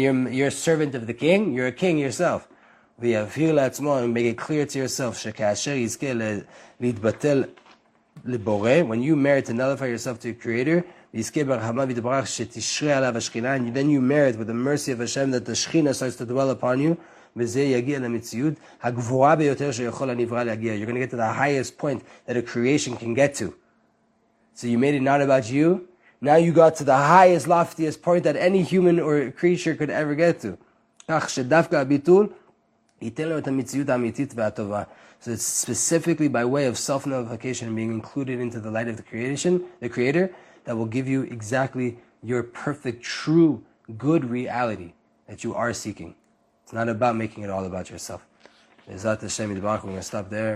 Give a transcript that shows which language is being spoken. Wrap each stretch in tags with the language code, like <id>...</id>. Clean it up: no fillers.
<en>You're a servant of the king. You're a king yourself.</en> <he>ויאפיר לעצמו,</he> <en>and make it clear to yourself,</en> <he>שכאשר יזכה להתבטל לבורא,</he> <en>when you merit to nullify yourself to your creator,</en> <he>ויזכה ברחמה ויתברך שתשרה עליו השכינה,</he> <en>and then you merit with the mercy of Hashem that the שכינה starts to dwell upon you,</en> <he>וזה יגיע למציאות הגבוהה ביותר שיכול הנברא להגיע.</he> <en>You're going to get to the highest point that a creation can get to. So you made it not about you. Now you got to the highest, loftiest point that any human or creature could ever get to.</en> <he>כך שדווקא הביטול ייתן לו את המציאות האמיתית והטובה.</he> <en>So it's specifically by way of self-nullification being included into the light of the creator, that will give you exactly your perfect, true, good reality that you are seeking. It's not about making it all about yourself.</en> <he>Bezat Hashem Yitbarach,</he> <en>we're going to stop there.</en>